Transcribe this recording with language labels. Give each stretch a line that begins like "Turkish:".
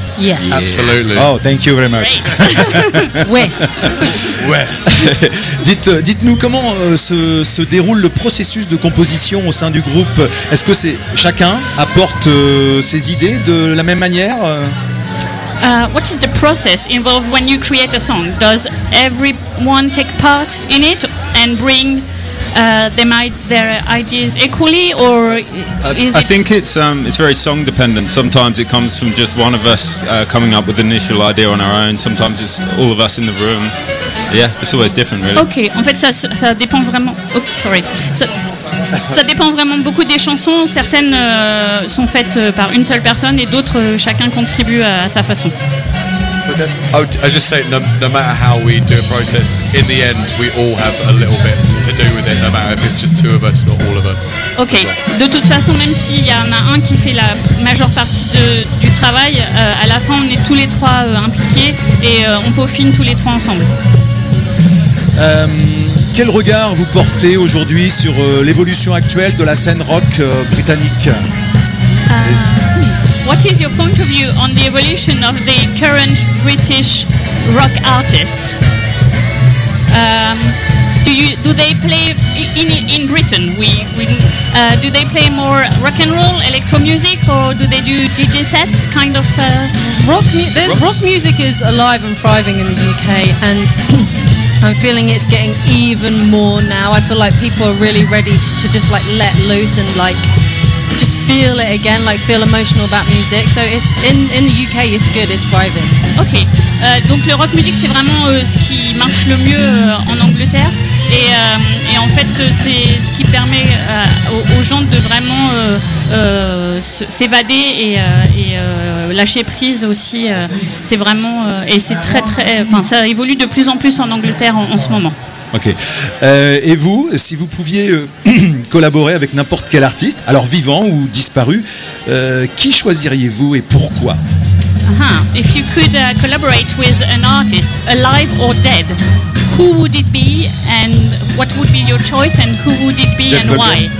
English: Yes. Yeah. Absolutely. Oh, thank you very much.
French: Ouais. Ouais. Dites-nous comment se déroule le processus de composition au sein du groupe. Est-ce que c'est chacun apporte ses idées de la même manière?
English: What is the process involved when you create a song? Does everyone take part in it and bring their ideas equally, or is I think it's very song dependent. Sometimes it comes from just one of us coming up with an initial idea on our own. Sometimes it's all of us in the room. Yeah, it's always different, really.
French: Okay, en fait, ça dépend vraiment.
English: Oh, sorry.
French: Ça dépend vraiment beaucoup des chansons. Certaines sont faites par une seule personne et d'autres, chacun contribue à sa façon.
English: Okay. I just say, no matter how we do a process, in the end, we all have a little bit to do with it, no matter if it's just two of us or all of us. Ok.
French: De toute façon, même s'il y en a un qui fait la majeure partie du travail, à la fin, on est tous les trois impliqués et on peaufine tous les trois ensemble. Quel regard vous portez aujourd'hui sur l'évolution actuelle de la scène rock britannique?
English: What is your point of view on the evolution of the current British rock artists? Do they play in Britain? Do they play more rock and roll, electro music, or do they do DJ sets, kind of? Rock music is alive and thriving in the UK, and I'm feeling it's getting even more now. I feel like people are really ready to just like let loose and like just feel it again, like feel emotional about music. So it's in the UK, it's good, it's thriving.
French: Ok, donc le rock music, c'est vraiment ce qui marche le mieux en Angleterre. Et en fait, c'est ce qui permet aux gens de vraiment s'évader et lâcher prise aussi. C'est vraiment, et c'est très très, enfin ça évolue de plus en plus en Angleterre en ce moment. Ok. Et vous, si vous pouviez collaborer avec n'importe quel artiste, alors vivant ou disparu, qui choisiriez-vous et pourquoi?
English: If you could collaborate with an artist, alive or dead, who would it be and what would be your choice and who would it be and why?